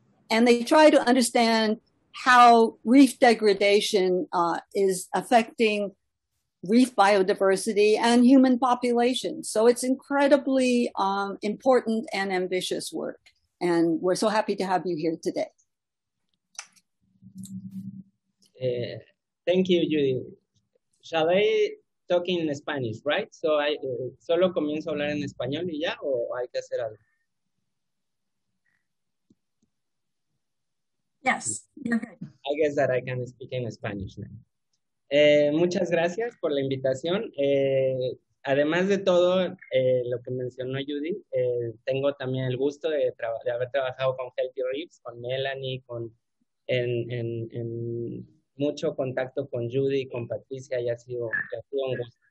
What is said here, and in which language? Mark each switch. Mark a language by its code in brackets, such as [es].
[en] And they try to understand how reef degradation is affecting reef biodiversity and human populations. So it's incredibly important and ambitious work. And we're so happy to have you here today. Thank you, Judy. Shall I talk in Spanish, right? [es] So I solo comienzo a hablar en español y ya, o hay que hacer algo? [en] Yes, you're good. I guess that I can speak in Spanish now. [es] Muchas gracias por la invitación. Además de todo lo que mencionó Judy, tengo también el gusto de haber trabajado con Healthy Reefs, con Melanie, en mucho contacto con Judy y con Patricia, y ha sido un gusto.